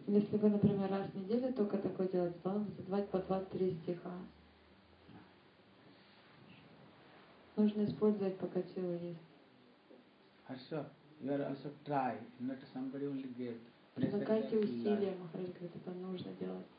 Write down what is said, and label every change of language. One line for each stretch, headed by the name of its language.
Russian: Если вы, например, раз в неделю только такое делать, то он задавать по 2-3 стиха. Нужно использовать, пока сила есть. Хорошо.
English: You are also try, not somebody only give.
Russian: Прилагайте усилия, Махарадж говорит, это нужно делать.